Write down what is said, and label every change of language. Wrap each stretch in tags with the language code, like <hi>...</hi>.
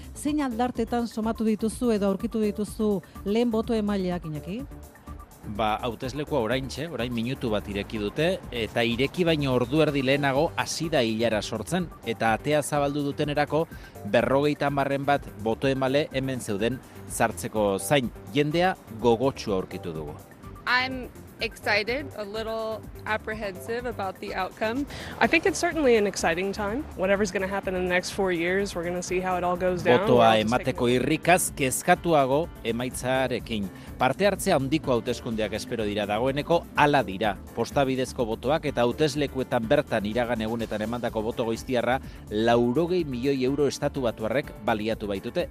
<eu>Zein aldartetan somatu dituzu edo aurkitu dituzu lehen boto emaileak, Iñaki? Ba, hauteslekua orain minutu bat ireki dute, eta ireki baino ordu erdi lehenago hasi da ilara sortzen, eta atea zabaldu dutenerako 50 bat boto emale hemen zeuden zartzeko zain. Jendea gogotsu aurkitu dugu.</eu> <en>I'm excited, a little apprehensive about the outcome. I think it's certainly an exciting time. Whatever's going to happen in the next 4 years, we're going to see how it all goes down.</en> <eu>Botoa emateko irrikaz, kezkatuago emaitzarekin. Parte hartzea handiko hauteskundeak espero dira, dagoeneko hala dira. Posta bidezko botoak eta hauteslekuetan bertan iragan egunetan emandako boto goiztiarra 80 milioi euro estatu batuarrek baliatu baitute.</eu>